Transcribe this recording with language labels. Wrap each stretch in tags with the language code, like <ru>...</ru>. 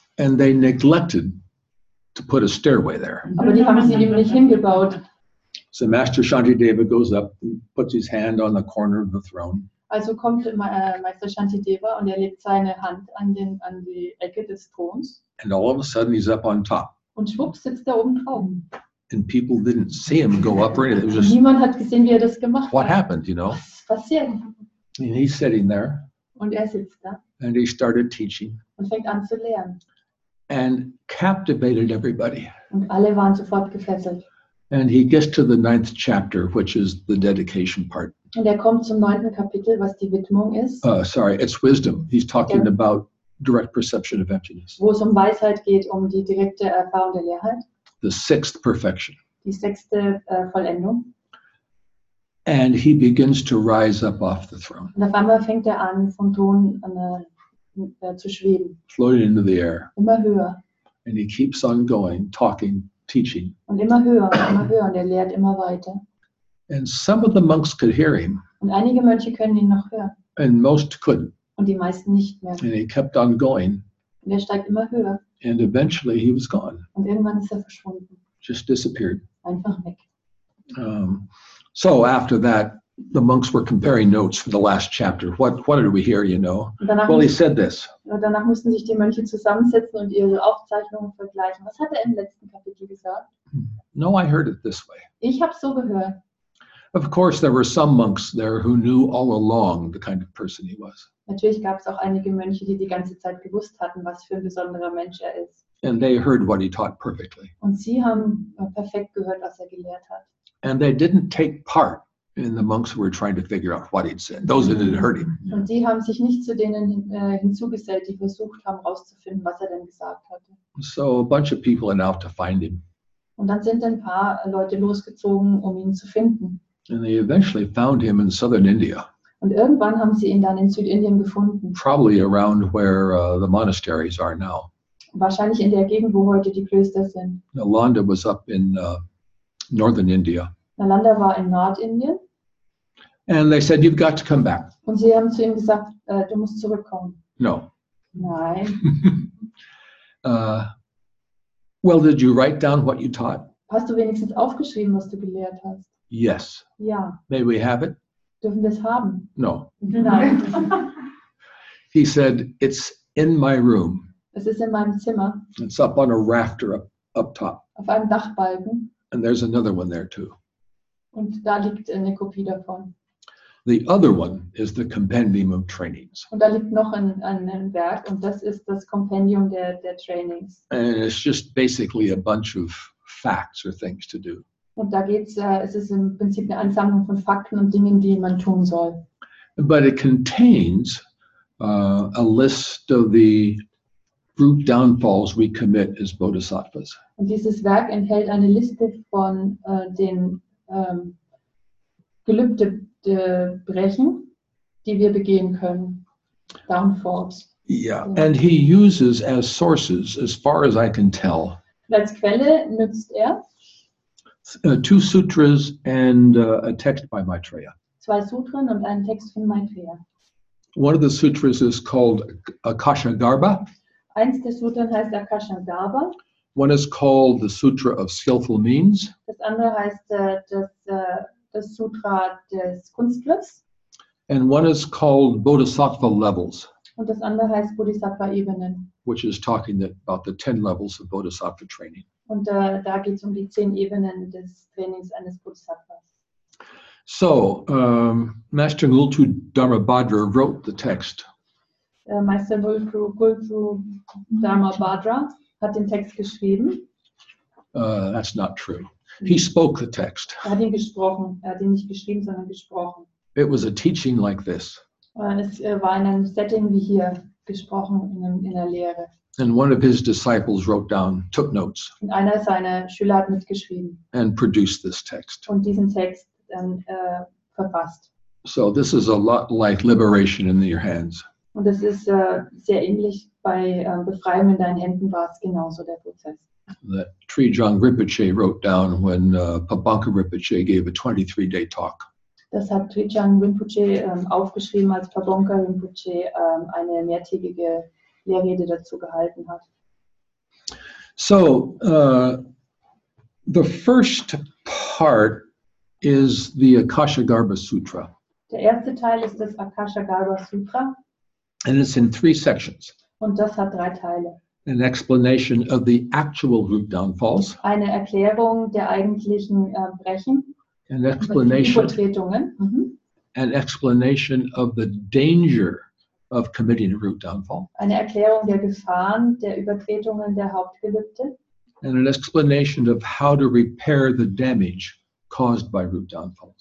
<en>And they neglected to put a stairway there.</en> <de>Aber die haben sie eben nicht hingebaut.</de> <en>So Master Shantideva goes up and puts his hand on the corner of the throne.</en> <de>Also kommt Meister Shantideva und er legt seine Hand an die Ecke des Throns.</de> <en>And all of a sudden he's up on top.</en> <de>Und schwupps sitzt er oben drauf.</de> <en>And people didn't see him go up or anything.</en> <de>Niemand hat gesehen, wie er das gemacht hat.</de> <en>What happened, you know?</en> <de>Was passiert?</de> <en>And he's sitting there.</en> <de>Und er sitzt da.</de> <en>And he started teaching.</en> <de>Und fängt an zu lehren.</de> <en>And captivated everybody.</en> <de>Und alle waren sofort gefesselt.</de> <en>And he gets to the 9th chapter, which is the dedication part.</en> <de>Und er kommt zum 9. Kapitel, was die Widmung ist.</de> <en>Sorry, it's wisdom. He's talking about direct perception of emptiness.</en> <de>Wo es um Weisheit geht, um die direkte Erfahrung der Leerheit.</de> <en>The 6th perfection.</en> <de>Die 6. Vollendung.</de> <en>And he begins to rise up off the throne.</en> <de>Und auf einmal fängt er an, vom Thron zu schweben.</de> <en>Floating into the air.</en> <de>Immer höher.</de> <en>And he keeps on going, talking, teaching.</en> <de>Und immer höher, immer höher. Und er lehrt immer weiter.</de> <en>And some of the monks could hear him.</en> <de>Und einige Mönche können ihn noch hören.</de> <en>And most couldn't.</en> <de>Und die meisten nicht mehr.</de> <en>And he kept on going.</en> <de>Und er steigt immer höher.</de> <en>And eventually he was gone.</en> <de>Und irgendwann ist er verschwunden.</de> <en>Just disappeared.</en> <de>Einfach weg.</de> <en>So after that, the monks were comparing notes for the last chapter. What did we hear, you know? Well, he said this.</en> <de>Danach mussten sich die Mönche zusammensetzen und ihre Aufzeichnungen vergleichen. Was hat im letzten Kapitel gesagt?</de> <en>No, I heard it this way.</en> <de>Ich habe so gehört.</de> <en>Of course, there were some monks there who knew all along the kind of person he was.</en> <de>Natürlich gab es auch einige Mönche, die ganze Zeit gewusst hatten, was für ein besonderer Mensch er ist.</de> <en>And they heard what he taught perfectly.</en> <de>Und sie haben perfekt gehört, was er gelehrt hat.</de> <en>And they didn't take part. And the monks were trying to figure out what he'd said. Those that had heard him.</en> <de>Und die haben sich nicht zu denen hinzugesellt, die versucht haben rauszufinden, was er denn gesagt hatte.</de> <en>So a bunch of people went out to find him.</en> <de>Und dann sind ein paar Leute losgezogen, um ihn zu finden.</de> <en>And they eventually found him in southern India.</en> <de>Und irgendwann haben sie ihn dann in Südindien gefunden.</de> <en>Probably around where the monasteries are now.</en> <de>Wahrscheinlich in der Gegend, wo heute die Klöster sind.</de> <en>Nalanda was up in northern India.</en> <de>Nalanda war in Nordindien.</de> <en>And they said, you've got to come back.</en> <de>Und sie haben zu ihm gesagt, du musst zurückkommen.</de> <en>No.</en> <de>Nein.</de> <en>Well, did you write down what you taught?</en> <de>Hast du wenigstens aufgeschrieben, was du gelehrt hast?</de> <en>Yes.</en> <de>Ja.</de> <en>May we have it?</en> <de>Dürfen wir es haben?</de> <en>No.</en> <de>Nein.</de> <en>He said, it's in my room.</en> <de>Es ist in meinem Zimmer.</de> <en>It's up on a rafter up top.</en> <de>Auf einem Dachbalken.</de> <en>And there's another one there too.</en> <de>Und da liegt eine Kopie davon.</de> <en>The other one is the compendium of trainings.</en> <de>Und da liegt noch ein Werk und das ist das Kompendium der Trainings.</de> <en>And it's just basically a bunch of facts or things to do.</en> <de>Und da geht's, es ist im Prinzip eine Ansammlung von Fakten und Dingen, die man tun soll.</de> <en>But it contains a list of the root downfalls we commit as bodhisattvas.</en> <de>Und dieses Werk enthält eine Liste von den Gelübde brechen, die wir begehen können.</de> <en>Downfalls. Yeah, and he uses as sources, as far as I can tell.</en> <de>Als Quelle nutzt er</de> <en>2 sutras and a text by Maitreya.</en> <de>2 Sutren und einen Text von Maitreya.</de> <en>One of the sutras is called Akashagarbha.</en> <de>Eins der Sutren heißt Akashagarbha.</de> <en>One is called the Sutra of Skillful Means.</en> <de>Das andere heißt das Sutra des Kunstgriffs.</de> <en>And one is called Bodhisattva Levels.</en> <de>Und das andere heißt Bodhisattva Ebenen.</de> <en>Which is talking about the 10 levels of Bodhisattva training.</en> <de>Und da geht es die 10 Ebenen des Trainings eines Bodhisattvas.</de> <en>So, Master Ngultu Dharmabhadra wrote the text.</en> <de>Meister Ngultu Dharmabhadra hat den Text geschrieben.</de> <en>That's not true. He spoke the text.</en> <de>Er hat ihn gesprochen. Er hat ihn nicht geschrieben, sondern gesprochen.</de> <en>It was a teaching like this.</en> <de>Es war in einem Setting wie hier gesprochen, in der Lehre.</de> <en>And one of his disciples wrote down, took notes.</en> <de>Und einer seiner Schüler hat mitgeschrieben.</de> <en>And produced this text.</en> <de>Und diesen Text dann verfasst.</de> <en>So this is a lot like liberation in your hands.</en> <de>Und das ist sehr ähnlich bei Befreiung in deinen Händen, war es genauso der Prozess.</de> <en>That Trijang Rinpoche wrote down when Pabanka Rinpoche gave a 23-day talk.</en> <de>Das hat Trijang Rinpoche aufgeschrieben, als Pabanka Rinpoche eine mehrtägige Lehrrede dazu gehalten hat.</de> <en>So, the first part is the Akashagarbha Sutra.</en> <de>Der erste Teil ist das Akashagarbha Sutra.</de> <en>And it's in three sections.</en> <de>Und das hat drei Teile.</de> <en>An explanation of the actual root downfalls.</en> <de>Eine Erklärung der eigentlichen Brechen.</de> <en>An explanation.</en> <de>Übertretungen.</de> <en>An explanation of the danger of committing a root downfall.</en> <de>Eine Erklärung der Gefahren der Übertretungen der Hauptgelübde.</de> <en>And an explanation of how to repair the damage caused by root downfalls.</en>